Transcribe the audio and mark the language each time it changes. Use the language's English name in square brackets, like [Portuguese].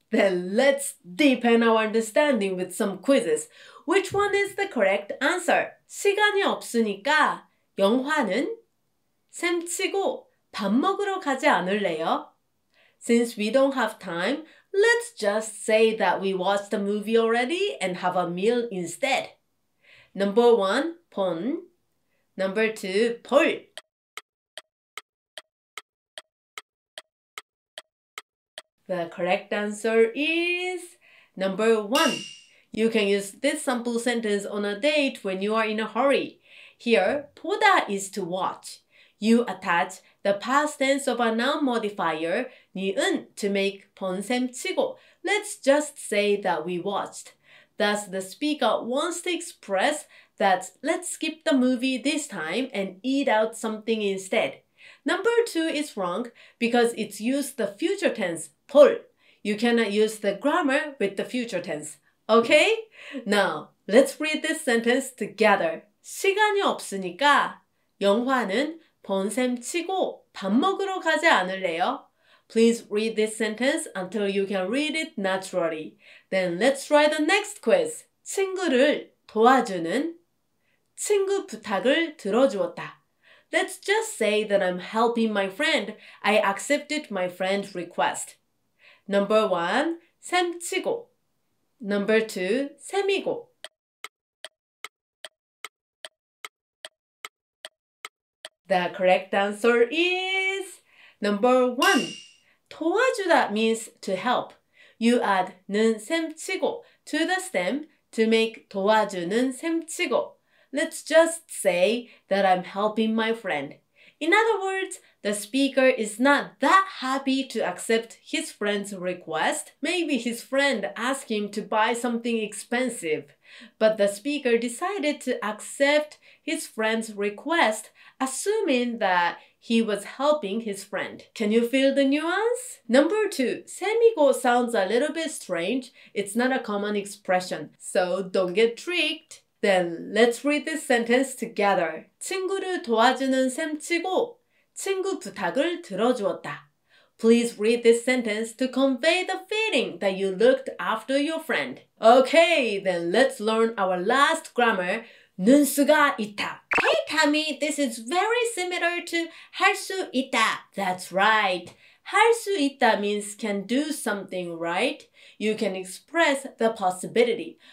[English] Then let's deepen our understanding with some quizzes. Which one is the correct answer? [Korean] 시간이 없으니까 영화는 셈치고 밥 먹으러 가지 않을래요? [English] Since we don't have time, let's just say that we watched the movie already and have a meal instead. Number 1, 본. Number 2, 볼. The correct answer is number 1. You can use this sample sentence on a date when you are in a hurry. Here, 보다 is to watch. You attach the past tense of a noun modifier, 니은, to make 본 셈 치고. Let's just say that we watched. Thus, the speaker wants to express that let's skip the movie this time and eat out something instead. Number 2 is wrong because it's used the future tense, 볼. You cannot use the grammar with the future tense. Okay? Now, let's read this sentence together. [Korean] 시간이 없으니까 영화는 본 셈 치고 밥 먹으러 가지 않을래요? [English] Please read this sentence until you can read it naturally. Then let's try the next quiz. [Korean] 친구를 도와주는 친구 부탁을 들어주었다. [English] Let's just say that I'm helping my friend. I accepted my friend's request. Number 1, 셈 치고. Number 2, 셈이고. The correct answer is number 1. 도와주다 means to help. You add 는 셈치고 to the stem to make 도와주는 셈치고. Let's just say that I'm helping my friend. In other words, the speaker is not that happy to accept his friend's request. Maybe his friend asked him to buy something expensive, but the speaker decided to accept his friend's request, assuming that he was helping his friend. Can you feel the nuance? Number two, 세미고 sounds a little bit strange. It's not a common expression, so don't get tricked. Then let's read this sentence together. 친구를 도와주는 셈치고 친구 부탁을 들어주었다. Please read this sentence to convey the feeling that you looked after your friend. Okay, then let's learn our last grammar. 눈수가 있다. Hey Tammy, this is very similar to 할 수 있다. That's right. 할 수 있다 means can do something, right? You can express the possibility.